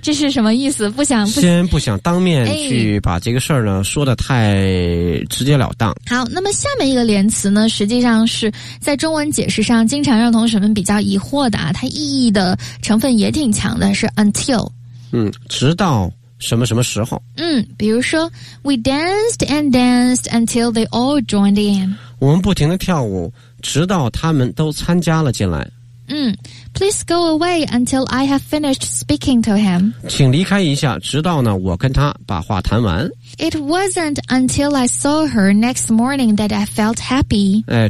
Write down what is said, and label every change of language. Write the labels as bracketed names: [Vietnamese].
[Chinese] 这是什么意思，不想当面去把这个事儿呢、说得太直截了当。好，那么下面一个连词呢，实际上是在中文解释上经常让同学们比较疑惑的啊，它意义的成分也挺强的，是 until。直到什么什么时候。比如说 [English] We danced and danced until they all joined in。 [Chinese] 我们不停地跳舞，直到他们都参加了进来。 [English] Please go away until I have finished speaking to him. [Chinese] 请离开一下，直到呢我跟他把话谈完。 [English] It wasn't until I saw her next morning that I felt happy.